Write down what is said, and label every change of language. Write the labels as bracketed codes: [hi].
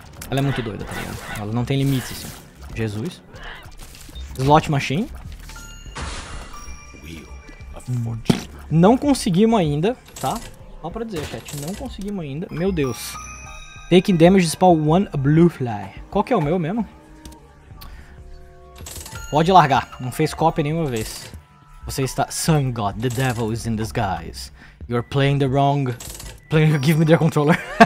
[pt] Ela é muito doida, tá ligado? Ela não tem limites, assim. Jesus. Slot machine. Não conseguimos ainda, tá? Só pra dizer, chat, não conseguimos ainda. Meu Deus. [en] Taking damage, spawn one blue fly. [pt] Qual que é o meu mesmo? Pode largar, não fez cópia nenhuma vez. Você está... [en] Sun God, the devil is in disguise. You're playing the wrong... Playing... Give me their controller.